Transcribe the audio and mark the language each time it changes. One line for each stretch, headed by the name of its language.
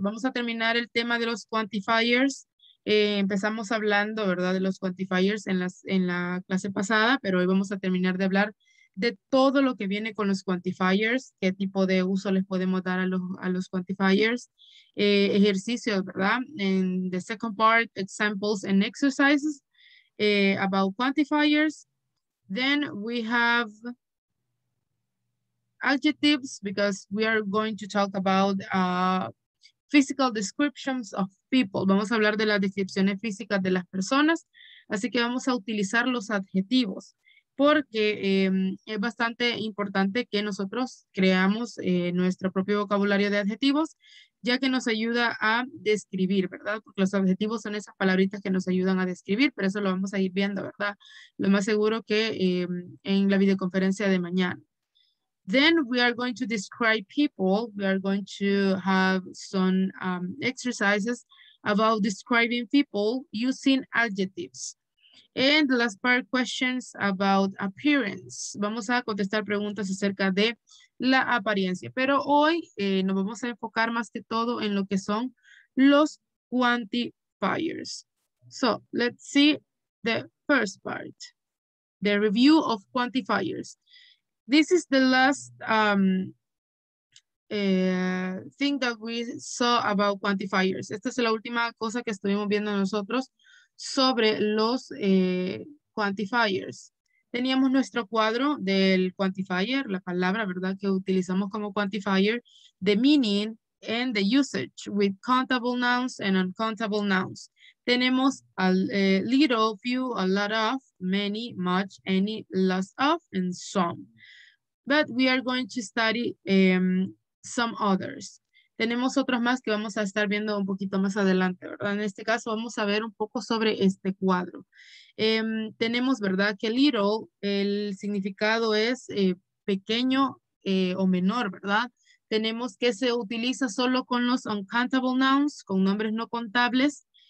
Spanish: Vamos a terminar el tema de los quantifiers. Empezamos hablando, ¿verdad?, de los quantifiers en la clase pasada, pero hoy vamos a terminar de hablar de todo lo que viene con los quantifiers, qué tipo de uso les podemos dar a los quantifiers, ejercicios, ¿verdad?
English: En the second part, examples and exercises about quantifiers. Then we have adjectives, because we are going to talk about physical descriptions of people.
Spanish: Vamos a hablar de las descripciones físicas de las personas, así que vamos a utilizar los adjetivos, porque es bastante importante que nosotros creamos nuestro propio vocabulario de adjetivos, ya que nos ayuda a describir, ¿verdad? Porque los adjetivos son esas palabritas que nos ayudan a describir, pero eso lo vamos a ir viendo, ¿verdad? Lo más seguro que en la videoconferencia de mañana.
English: Then we are going to describe people. We are going to have some exercises about describing people using adjectives. And the last part, questions about appearance.
Spanish: Vamos a contestar preguntas acerca de la apariencia. Pero hoy nos vamos a enfocar más que todo en lo que son los quantifiers.
English: So let's see the first part, the review of quantifiers. This is the last thing that we saw about quantifiers.
Spanish: Esta es la última cosa que estuvimos viendo nosotros sobre los quantifiers. Teníamos nuestro cuadro del quantifier, la palabra, ¿verdad?, que utilizamos como quantifier,
English: the meaning and the usage with countable nouns and uncountable nouns. Tenemos a little, few, a lot of, many, much, any, lots of, and some. But we are going to study some others.
Spanish: Tenemos otros más que vamos a estar viendo un poquito más adelante, ¿verdad? En este caso vamos a ver un poco sobre este cuadro. Tenemos, ¿verdad?, que little, el significado es pequeño o menor, ¿verdad? Tenemos que se utiliza solo con los uncountable nouns, con nombres no contables.